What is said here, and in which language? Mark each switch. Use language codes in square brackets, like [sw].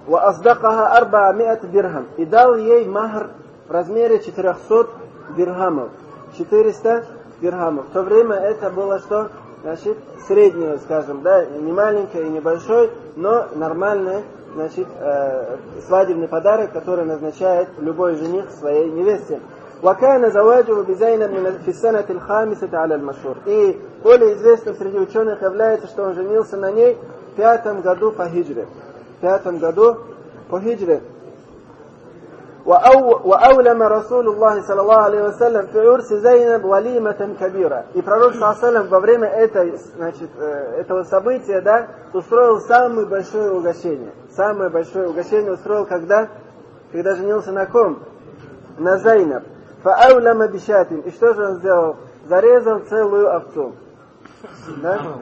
[ar] Ва асдакаха 400 дирхам. [ru] И дал ей махр в размере 400 дирхамов. 400 дирхамов. В то время это было что? Значит, среднее, скажем, да, не маленькое и не большое, но нормальное, значит, свадебный подарок, который назначает любой жених своей невесте. [ar] وكان زواجه بزينب من في السنة الخامسة على المشهور. [ru] И более известным среди ученых является, что он женился на ней в пятом году по хиджре. В пятом году по хиджре. [ar] وأولم رسول الله صلى الله عليه وسلم في عرس زينب وليمة كبيرة. [ru] И пророк صلى الله عليه وسلم во время этой, значит, этого события, да, устроил самое большое угощение. Самое большое угощение устроил когда? Когда женился на ком? На Зайнаб. [ar] فأولم بشات. [ru] И что же он сделал? Зарезал целую овцу. Да?